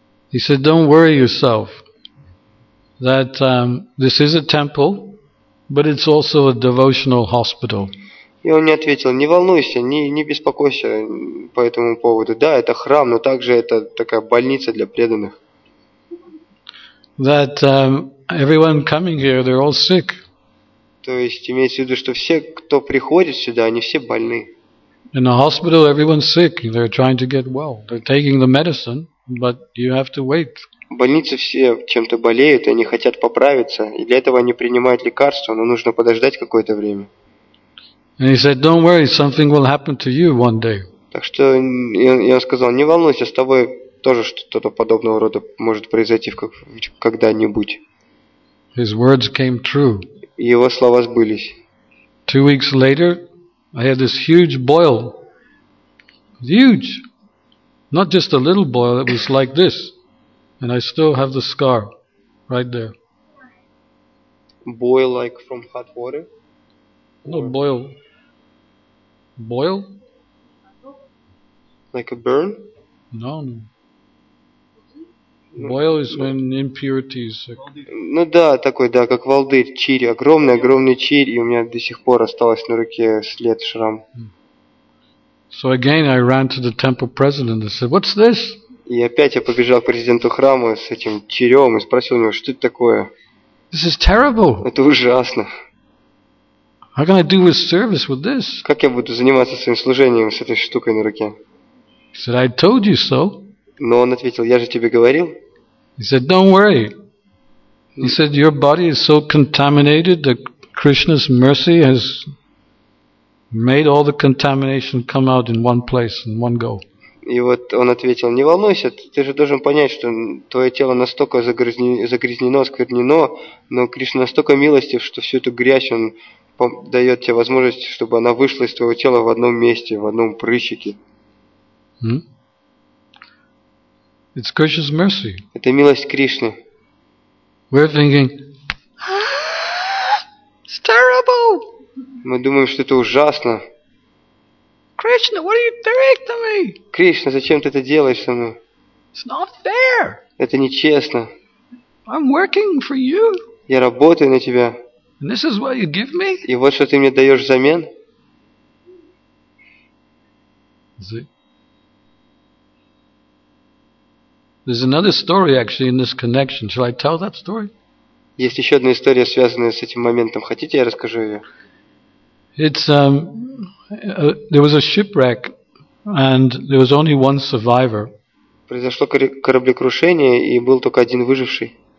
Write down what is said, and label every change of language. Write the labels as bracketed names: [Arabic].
[English] He said, "Don't worry yourself. That this is a temple, but it's also a devotional hospital." [Russian] И он мне ответил: не волнуйся, не беспокойся по этому поводу. Да, это храм, но также это такая больница для преданных. [English] That everyone coming here, they're all sick. [Russian] То есть имеется в виду, что все, кто приходит сюда, они все больны. [English] In the hospital, everyone's sick. They're trying to get well. They're taking the medicine, but you have to wait. [Russian] В больнице все чем-то болеют, и они хотят поправиться. И для этого они принимают лекарства, но нужно подождать какое-то время. [English] And he said, "Don't worry, something will happen to you one day." [Russian] Так что я сказал: не волнуйся, с тобой тоже что-то подобного рода может произойти когда-нибудь. [English] His words came true. [Russian] Его слова сбылись. [English] 2 weeks later, I had this huge boil. Huge, not just a little boil. It was like this, and I still have the scar right there. Boil like from hot water? No, boil. Boil? Like a burn? No. Boil is when impurities. [Russian] Ну да, такой, да, как волдырь, чирь, огромный чирь, и у меня до сих пор осталось на руке след, шрам. [English] So again I ran to the temple president and said, "What's this?" [Russian] И опять я побежал к президенту храма с этим чирем и спросил у него: "Что это такое?" [English] This is terrible. [Russian] Это ужасно. [English] How can I do with service with this? [Russian] Как я буду заниматься своим служением с этой штукой на руке? [English] He said, "I told you so." [Russian] Но он ответил: я же тебе говорил. [English] He said, "Don't worry." He said, "Your body is so contaminated that Krishna's mercy has made all the contamination come out in one place in one go." [Russian] И вот он ответил: не волнуйся, ты же должен понять, что твое тело настолько загрязнено, осквернено, но Кришна настолько милостив, что всю эту грязь он дает тебе возможность, чтобы она вышла из твоего тела в одном месте, в одном прыщике. [English] It's Krishna's mercy. [Russian] Это милость Кришны. [English] We're thinking, it's terrible. [Russian] Мы думаем, что это ужасно. [English] Krishna, what are you doing to me? [Russian] Кришна, зачем ты это делаешь со мной? [English] It's not fair. [Russian] Это нечестно. [English] I'm working for you. [Russian] Я работаю на тебя. [English] And this is what you give me? [Russian] И вот что ты мне даешь взамен? [English] There's another story actually in this connection. Shall I tell that story? [Russian] Есть еще одна история, связанная с этим моментом. Хотите, я расскажу ее? [English] It's there was a shipwreck and there was only one survivor. [Russian] Произошло кораблекрушение и был только один выживший.